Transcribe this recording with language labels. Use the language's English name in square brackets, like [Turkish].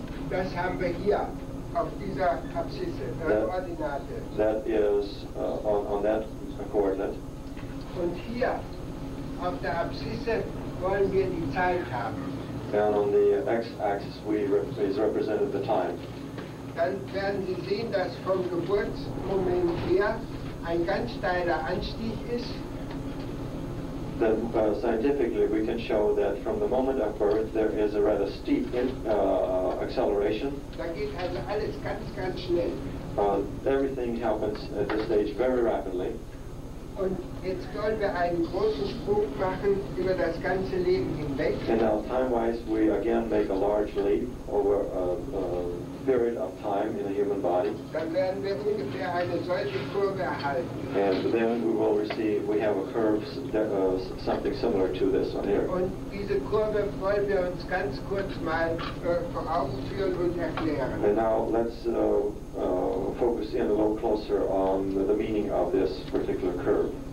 [German] Das haben wir hier auf dieser Abscisse, Ordinate. [English] That is on that coordinate. [German] Und hier auf der Abscisse wollen wir die Zeit haben. [English] And on the x-axis is represented the time. [German] Dann werden Sie sehen, dass vom Geburtsmoment her ein ganz steiler Anstieg ist. [English] Then scientifically we can show that from the moment of birth there is a rather steep acceleration. [German] Da geht also alles ganz, ganz schnell. [English] Everything happens at this stage very rapidly. [German] Und jetzt wollen wir einen großen Sprung machen über das ganze Leben hinweg. [English] And now time-wise we again make a large leap over a period of time in the human body. [German] Dann werden wir ungefähr eine solche Kurve erhalten. [English] And then we will receive, we have a curve that something similar to this one here. [German] Und diese Kurve wollen wir uns ganz kurz mal vor Augen führen und erklären. [English] And now let's focus in a little closer on the meaning of this particular curve.